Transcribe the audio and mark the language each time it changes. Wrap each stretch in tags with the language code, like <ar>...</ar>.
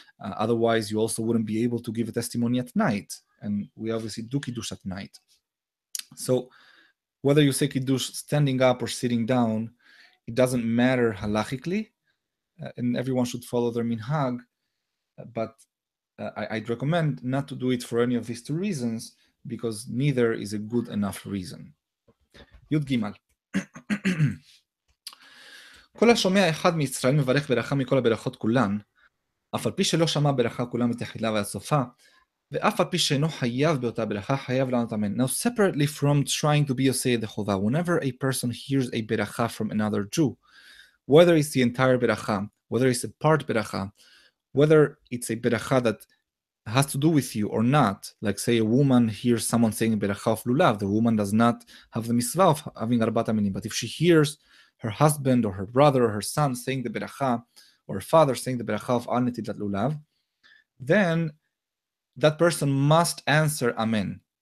<en>Otherwise, you also wouldn't be able to give a testimony at night. And we obviously do Kiddush at night. So whether you say Kiddush standing up or sitting down, it doesn't matter halachically, and everyone should follow their minhag, but I'd recommend not to do it for any of these two reasons, because neither is a good enough reason.</en> <he>Yud Gimal. כל השומע אחד מישראל מברך ברכה מכל הברכות כולן, אף על פי שלא שמע ברכה כולן מתחילה ועד סופה, ואף על פי שאינו חייב באותה ברכה, חייב לענות אמן.</he> <en>Now, separately from trying to be Yosei the Chova, whenever a person hears a ברכה from another Jew, whether it's the entire ברכה, whether it's a part ברכה, whether it's a ברכה that has to do with you or not, like say a woman hears someone saying ברכה of Lulav, the woman does not have the מצווה of having ארבעת אמנים, but if she hears her husband or her brother or her son saying the beracha, or her father saying the beracha of Al-Netilat Lulav, then that person must answer Amen.</en>